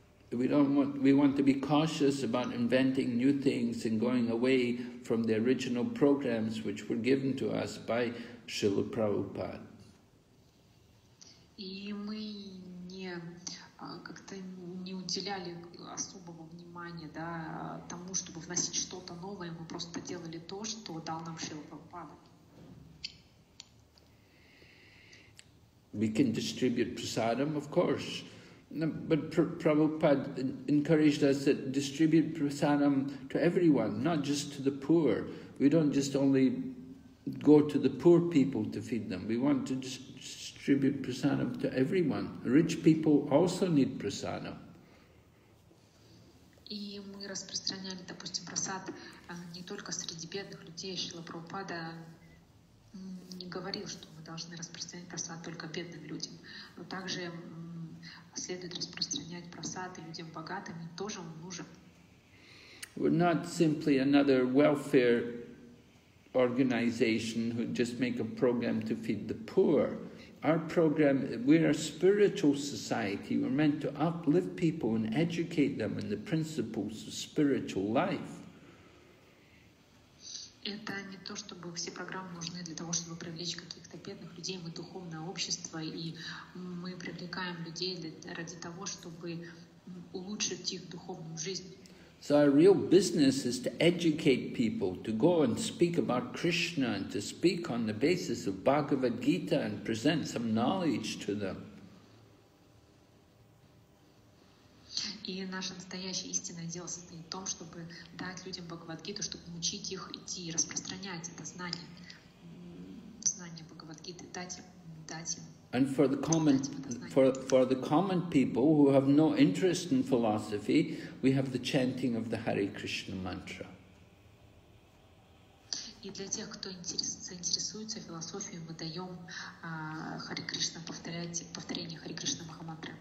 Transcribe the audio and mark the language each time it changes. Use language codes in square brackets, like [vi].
[en] We want to be cautious about inventing new things and going away from the original programs which were given to us by Srila Prabhupada. [ru] И мы не как-то не уделяли особого внимания, да, тому, чтобы вносить что-то новое, мы просто делали то, что дал нам Шрила Прабхупада. [en] We can distribute prasadam, of course. No, but Prabhupada encouraged us to distribute prasadam to everyone, not just to the poor. We don't just only go to the poor people to feed them. We want to distribute prasadam to everyone. Rich people also need prasadam. [ru] И мы распространяли, допустим, просад не только среди бедных людей. Шрила Прабхупада не говорил, что мы должны распространять просад только бедным людям, но также следует распространять просад и людям богатым, им тоже он нужен. [en] We're not simply another welfare organization who just make a program to feed the poor. Our program, we're a spiritual society, we're meant to uplift people and educate them in the principles of spiritual life. [ru] Это не то, чтобы все программы нужны для того, чтобы привлечь каких-то бедных людей. Мы духовное общество, и мы привлекаем людей ради того, чтобы улучшить их духовную жизнь. [en] So our real business is to educate people, to go and speak about Krishna, and to speak on the basis of Bhagavad Gita and present some knowledge to them. [ru] И наше настоящее истинное дело состоит в том, чтобы дать людям Бхагавад Гиту, чтобы научить их идти и распространять это знание, знание Бхагавад Гиты, дать им. [en] And for the common people who have no interest in philosophy, we have the chanting of the Hare Krishna mantra. [ru] И для тех, кто заинтересуется философией, мы даем Hare Krishna, повторение Hare Krishna Mahamantra.